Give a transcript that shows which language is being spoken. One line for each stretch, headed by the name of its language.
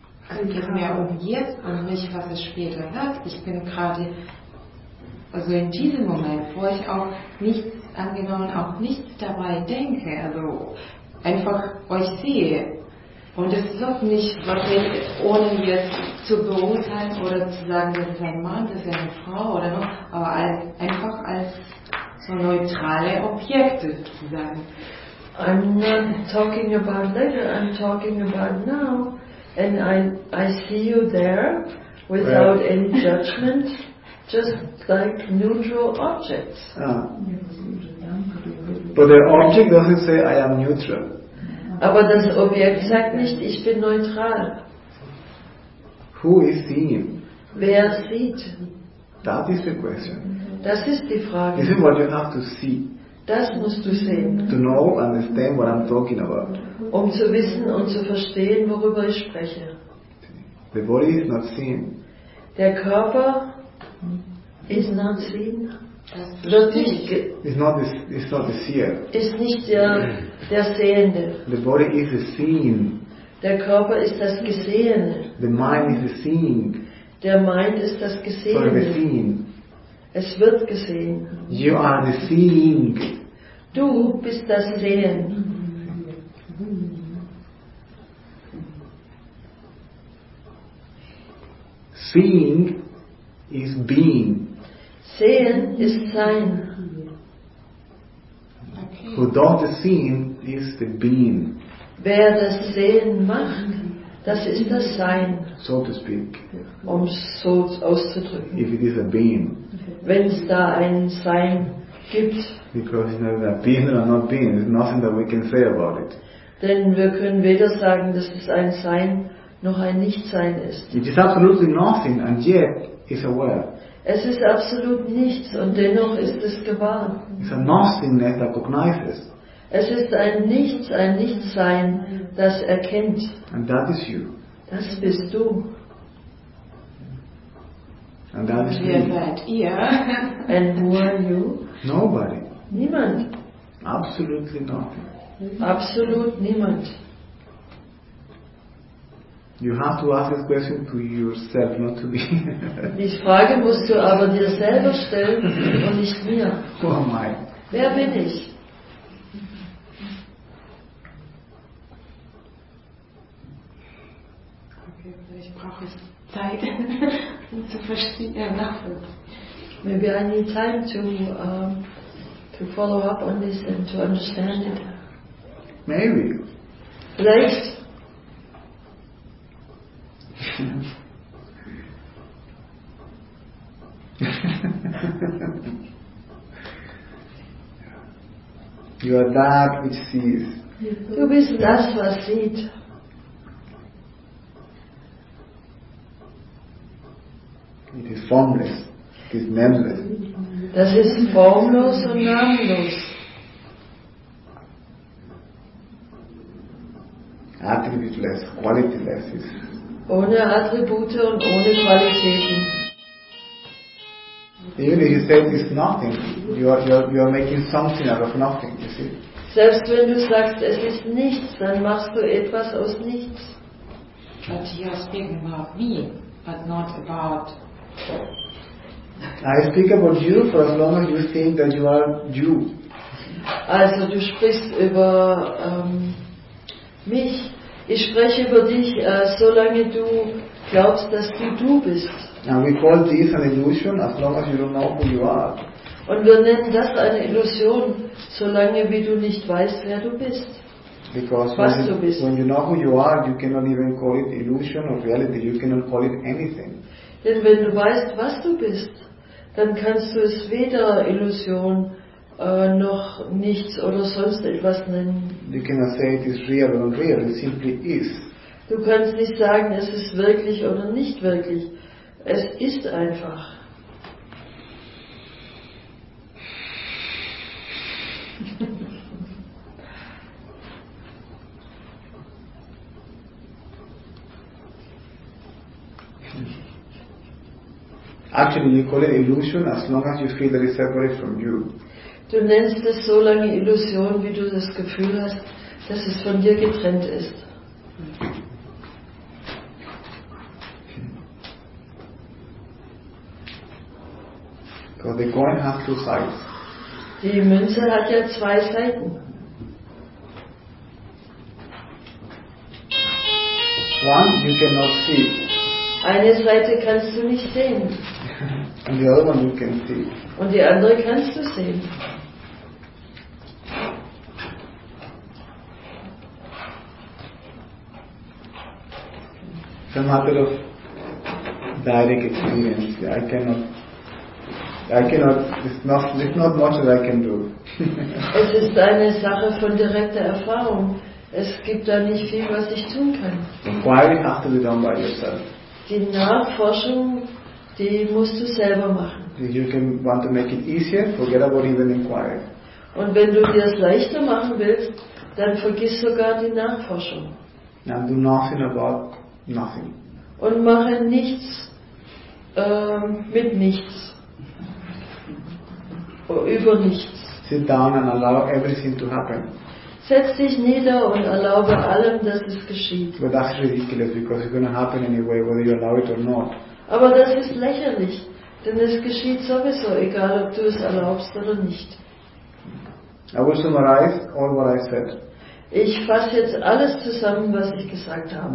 German: Es geht mir um jetzt und nicht, was es später wird. Ich bin gerade, also in diesem Moment, wo ich auch nichts angenommen, auch nichts dabei denke, also einfach euch sehe. Und es ist auch nicht wirklich, ohne jetzt zu beurteilen oder zu sagen, das ist ein Mann, das ist eine Frau oder noch, aber als, einfach als so neutrale Objekte zu sagen.
English: I'm not talking about later, I'm talking about now. And I see you there without any judgment, just like neutral objects. But the object doesn't say I am neutral.
German: Aber das Objekt sagt nicht, ich bin neutral.
English: Who is seeing?
German: Wer sieht?
English: That is the question.
German: Das ist die Frage.
English: Is it what you have to see?
German: Das musst du sehen.
English: To know, understand what I'm talking about.
German: Um zu wissen und zu verstehen, worüber ich spreche.
English: The body is not seen.
German: Der Körper
English: is not seen.
German: Ist nicht der Sehende.
English: The body is the seen.
German: Der Körper ist das Gesehene.
English: The mind is the seeing.
German: Der Mind ist das Gesehene.
English: So the seen.
German: Es wird gesehen.
English: You are the seeing.
German: Du bist das Sehen.
English: Seeing is being.
German: Sehen ist sein.
English: Who does the seeing is the being.
German: Wer das Sehen macht, das ist das Sein.
English: So to speak.
German: Um es so auszudrücken.
English: If it is a being.
German: Wenn es da ein Sein gibt.
English: Because it's not a being or not being. There's nothing that we can say about it.
German: Denn wir können weder sagen, dass es ein Sein noch ein Nichtsein ist.
English: It is absolutely nothing and yet it's aware.
German: Es ist absolut nichts und dennoch ist es gewahr.
English: It's a nothingness that recognizes.
German: Es ist ein Nichts, ein Nichtsein, das erkennt.
English: And that is you. Das bist du. And that is me.
German: Seid ihr.
English: And who are you? Nobody.
German: Niemand.
English: Absolutely nothing.
German: Absolut niemand.
English: You have to ask this question to yourself, not to me.
German: Die Frage musst du aber dir selber stellen und nicht mir.
English: Who am I?
German: Wer bin ich? Okay, vielleicht brauche ich Zeit, um zu verstehen, nachvollziehen.
English: Maybe I need time to follow up on this and to understand it. Maybe.
German: Vielleicht.
English: You are that which sees.
German: Du bist das, was sieht.
English: It is formless. It is nameless.
German: Das ist formlos und namenlos.
English: Attributeless, qualityless is.
German: Ohne Attribute und ohne Qualitäten.
English: Even if you say it's nothing, you are making something out of nothing, you see.
German: Selbst wenn du sagst, es ist nichts, dann machst du etwas aus nichts.
English: But you are speaking about me, but not about... I speak about you for as long as you think that you are you.
German: Also du sprichst über mich. Ich spreche über dich, solange du glaubst, dass du bist.
English: And we call this an illusion as long as you don't know who you are.
German: Und wir nennen das eine Illusion, solange wie du nicht weißt, wer du bist.
English: Because
German: was
English: when,
German: du bist.
English: When you know who you are, you cannot even call it illusion or reality. You cannot call it anything.
German: Denn wenn du weißt, was du bist, dann kannst du es weder Illusion noch nichts oder sonst etwas nennen.
English: You cannot say it is real or unreal. It simply is.
German: Du kannst nicht sagen, es ist wirklich oder nicht wirklich. Es ist einfach.
English: Actually, you call it illusion as long as you feel that it's separate from you.
German: Du nennst es so lange Illusion, wie du das Gefühl hast, dass es von dir getrennt ist.
English: So the coin has two sides.
German: Die Münze hat ja zwei Seiten.
English: One you cannot see.
German: Eine Seite kannst du nicht sehen.
English: And the other one you can see.
German: Und die andere kannst du sehen.
English: It's a matter of direct experience. I cannot, it's not much that I can do.
German: Es ist eine Sache von direkter Erfahrung. Es gibt da nicht viel, was ich tun kann.
English: Inquiring has to be done by yourself.
German: Die Nachforschung, die musst du selber machen.
English: You can want to make it easier, forget about even inquiring.
German: Und wenn du dir es leichter machen willst, dann vergiss sogar die Nachforschung.
English: And do nothing about nothing.
German: Und mache nichts mit nichts. Über nichts.
English: Sit down and allow everything to happen.
German: Setz dich nieder und erlaube allem, dass es geschieht.
English: But that's ridiculous, because it's going to happen anyway, whether you allow it or not.
German: Aber das ist lächerlich, denn es geschieht sowieso, egal ob du es erlaubst oder nicht.
English: I will summarize all what I said.
German: Ich fasse jetzt alles zusammen, was ich gesagt habe.